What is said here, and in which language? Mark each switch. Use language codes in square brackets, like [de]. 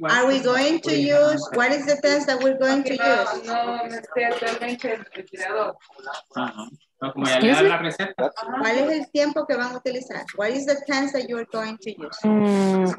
[en] Are we going to use, what is the test that we're going to use? No, excuse me? [es] ¿Cuál es el tiempo que van a utilizar? [en] What is the tense that you're going to use?